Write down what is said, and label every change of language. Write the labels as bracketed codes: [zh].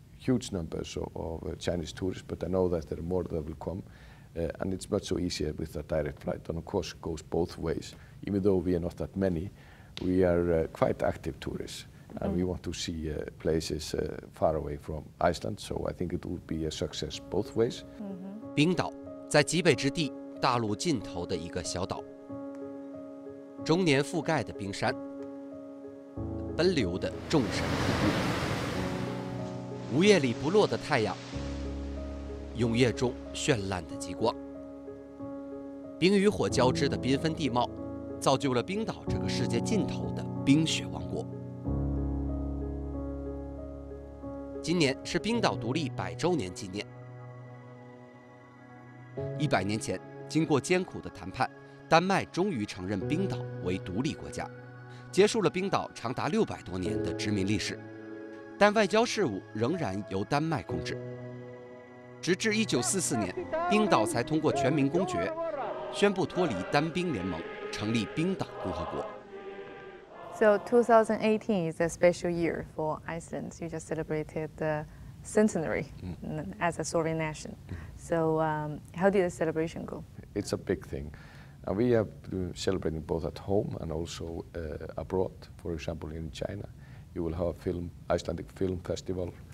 [en] huge numbers of Chinese tourists, but I know that there are more that will come. And it's much so easier with a direct flight, and of course goes both ways. Even though we are not that many, we are quite active tourists, and we want to see places far away from Iceland, so I think it would be a success both ways. [zh] 冰岛在极北之地大陆尽头的一个小岛，终年覆盖的冰山，奔流的众神瀑布，午夜里不落的太阳，永夜中绚烂的极光，冰与火交织的缤纷地貌，造就了冰岛这个世界尽头的冰雪王国。今年是冰岛独立百周年纪念。 100年前，经过艰苦的谈判，丹麦终于承认冰岛为独立国家，结束了冰岛长达600多年的殖民历史，但外交事务仍然由丹麦控制。直至1944年，冰岛才通过全民公决，宣布脱离单冰联盟，成立冰岛共和国。 [en] So 2018 is a special year for Iceland. You just celebrated the centenary as a sovereign nation. So how did the celebration go? It's a big thing. And we have been celebrating both at home and also abroad. For example, in China, you will have a film, Icelandic film festival.